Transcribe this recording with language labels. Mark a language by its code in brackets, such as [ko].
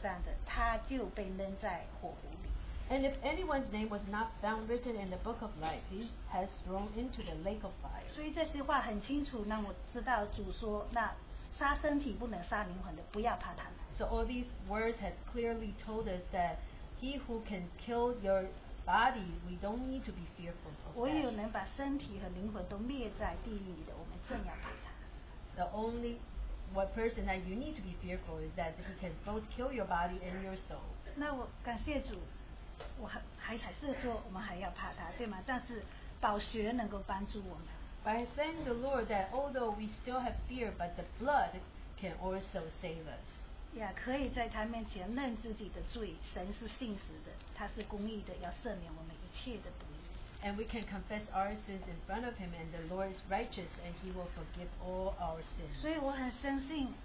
[zh] 若有人名字没记在生命册上的，他就被扔在火湖里。 [en] And if anyone's name was not found written in the book of life, he has thrown into the lake of fire. [zh] 所以这些话很清楚，让我知道主说那。杀身体不能杀灵魂的, [en] so all these words has clearly told us that he who can kill your body, we don't need to be fearful of that. The only what person that you need to be fearful is that he can both kill your body and your soul. [zh] 那我感谢主，我还是说我们还要怕他，对吗？但是宝血能够帮助我们。 [en] But I thank the Lord that although we still have fear, but the blood can also save us. [zh] Yeah, 可以在他面前认自己的罪，神是信实的，他是公义的，要赦免我们一切的不义。 [en] And we can confess our sins in front of Him, and the Lord is righteous, and He will forgive all our sins.